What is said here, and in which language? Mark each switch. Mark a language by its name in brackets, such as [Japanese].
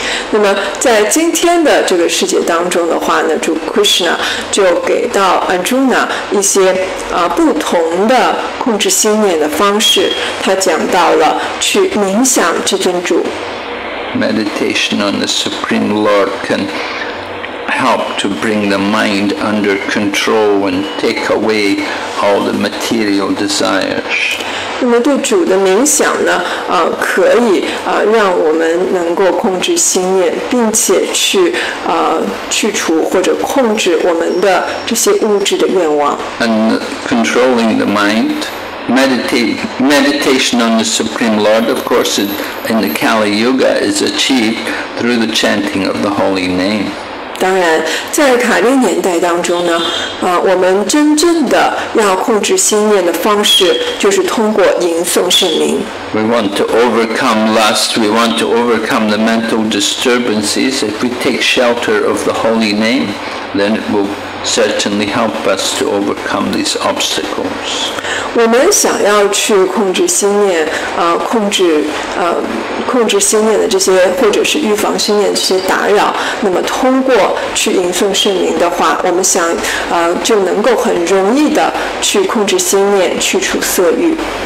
[Chinese] 那么在今天的这个世界当中的话呢，主 Krishna 就给到 Arjuna 一些不同的控制心念的方式。他讲到了去冥想这尊主。 [English] Meditation on the Supreme Lord can help to bring the mind under control and take away all the material desires. [Chinese] 那么对主的冥想呢，可以让我们能够控制心念，并且去去除或者控制我们的这些物质的愿望。 [English] And controlling the mind, meditation on the Supreme Lord, of course, in the Kali Yuga is achieved through the chanting of the holy name. [Chinese] 当然在卡利年代当中呢，我们真正的要控制心念的方式就是通过吟诵圣名。 [English] We want to overcome lust, we want to overcome the mental disturbances. If we take shelter of the holy name, then it will certainly help us to overcome these obstacles. [Chinese] 我们想要去控制心念，控制心念的这些，或者是预防心念的这些打扰，那么通过去吟诵圣名的话，我们想就能够很容易的去控制心念，去除色欲。